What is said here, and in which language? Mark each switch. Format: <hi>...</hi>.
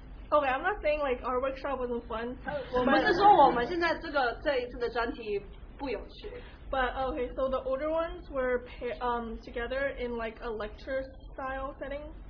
<en>Okay, I'm not saying like our workshop wasn't fun.</en> <zh>我们是说我们现在这一次的专题不有趣。</zh> <en>But okay, so the older ones were together in like a lecture style setting.</en>